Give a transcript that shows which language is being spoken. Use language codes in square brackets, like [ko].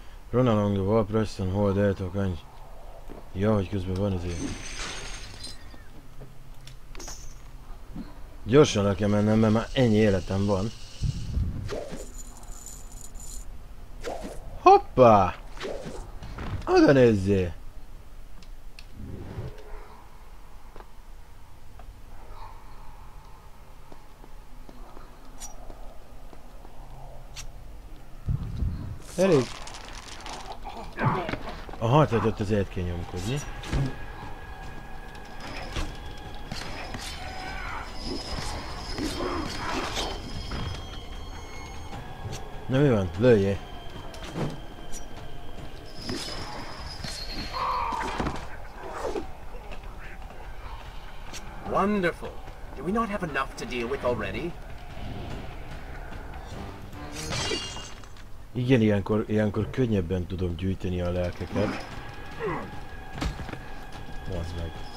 [en] Run along the wall, press and hold it, okay? [hu] Ja, hogy közben van ez ilyen. Gyorsan le kell mennem, mert már ennyi életem van. Hoppá! Oda nézzé! Elég! Aha, tehát ott azért kell nyomkodni. Na mi van? Lőjé! [en] Wonderful! Do we not have enough to deal with already? [hu] Igen, ilyenkor könnyebben tudom gyűjteni a lelkeket. Bazd meg.